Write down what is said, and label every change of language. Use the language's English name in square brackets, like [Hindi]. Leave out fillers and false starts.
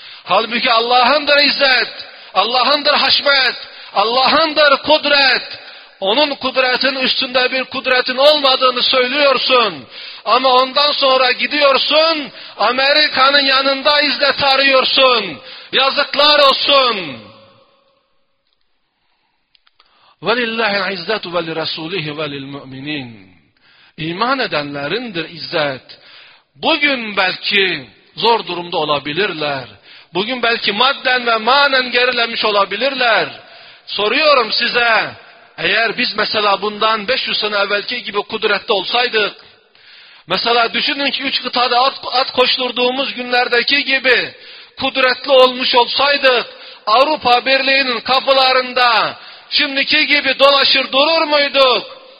[Turkish] Halbuki Allah'ındır izzet, Allah'ındır haşmet, Allah'ındır kudret. onun kudretin üstünde bir kudretin olmadığını söylüyorsun. Ama ondan sonra gidiyorsun, Amerika'nın yanında izle tarıyorsun. Yazıklar olsun. [Arabic] وَلِلَّهِ الْعِزَّةُ وَلِرَسُولِهِ وَلِلْمُؤْمِنِينَ [Turkish] İman edenlerindir izzet. Bugün belki zor durumda olabilirler. Bugün belki madden ve manen gerilemiş olabilirler. Soruyorum size, eğer biz mesela bundan 500 sene evvelki gibi kudrette olsaydık, mesela düşünün ki 3 kıtada at koşturduğumuz günlerdeki gibi kudretli olmuş olsaydık, Avrupa Birliği'nin kapılarında şimdiki gibi dolaşır durur muyduk?